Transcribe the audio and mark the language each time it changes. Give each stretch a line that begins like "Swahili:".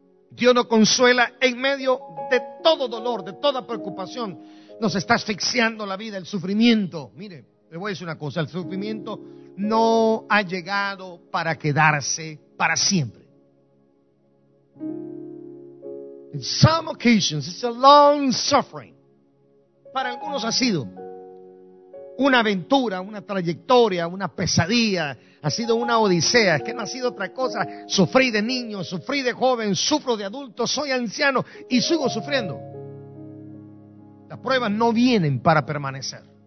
Spanish: Dios nos consuela en medio de todo dolor, de toda preocupación. Nos está asfixiando la vida, el sufrimiento. Mire, le voy a decir una cosa, el sufrimiento no ha llegado para quedarse para siempre.
English: In some occasions, it's a long suffering.
Spanish: Para algunos ha sido una aventura, una trayectoria, una pesadilla, ha sido una odisea. Es que no ha sido otra cosa. Sufrí de niño, sufrí de joven, sufro de adulto, soy anciano y sigo sufriendo. Las pruebas no vienen para permanecer.